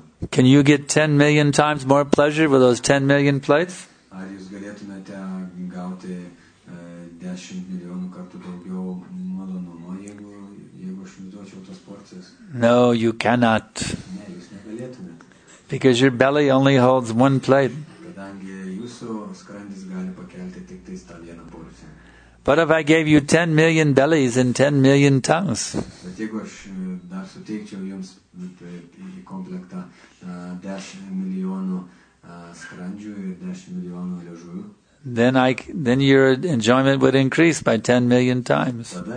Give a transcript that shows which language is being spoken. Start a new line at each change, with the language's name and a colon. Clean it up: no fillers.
English: Can you get 10 million times more pleasure with those 10 million plates?
Lithuanian: Ar jūs galėtumėte gauti 10 milijonų kartų daugiau malonumo, jeigu aš jums duočiau tas porcijas?
English: No, you cannot.
Lithuanian: Ne, jūs negalėtumėt.
English: Because your belly only holds one plate.
Lithuanian: Kadangi jūsų skrandis gali pakelti tik tais tą vieną porciją.
English: But if I gave you 10 million bellies and 10 million tongues.
Lithuanian: Bet jeigu aš dar suteikčiau jums į komplektą 10 milijonų skrandžių ir 10 milijonų liežuvių.
English: Then your enjoyment would increase by 10 million times.